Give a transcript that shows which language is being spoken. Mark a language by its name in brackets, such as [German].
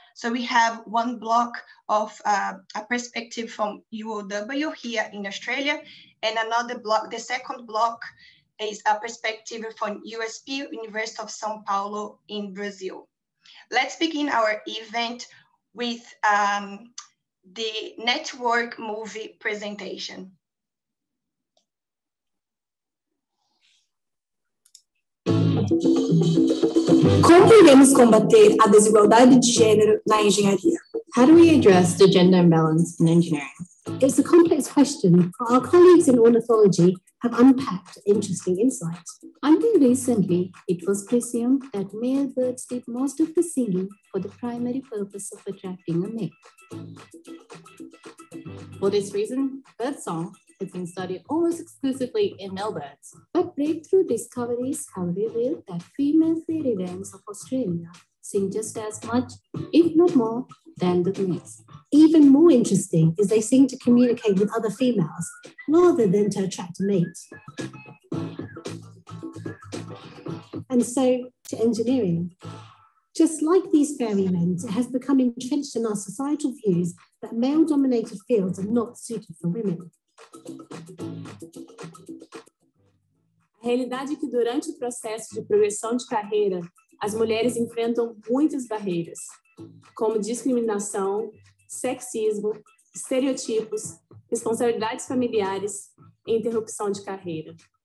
[English] So we have one block of a perspective from UOW here in Australia, and another block, the second block, is a perspective from USP, University of São Paulo in Brazil. Let's begin our event with the network movie presentation. [Portuguese] Como podemos combater a desigualdade de gênero na engenharia? [English] How do we address the gender imbalance in engineering? It's a complex question, for our colleagues in ornithology have unpacked interesting insights. Until recently, it was presumed that male birds did most of the singing for the primary purpose of attracting a mate. For this reason, birdsong has been studied almost exclusively in male birds. But breakthrough discoveries have revealed that female fairy wrens of Australia sing just as much, if not more, than the males. Even more interesting is they sing to communicate with other females rather than to attract a mate. And so to engineering. Just like these fairy men, it has become entrenched in our societal views that male-dominated fields are not suited for women. [Portuguese] A realidade é que durante o processo de progressão de carreira, as mulheres enfrentam muitas barreiras, como discriminação, sexismo, estereótipos, responsabilidades familiares e interrupção de carreira.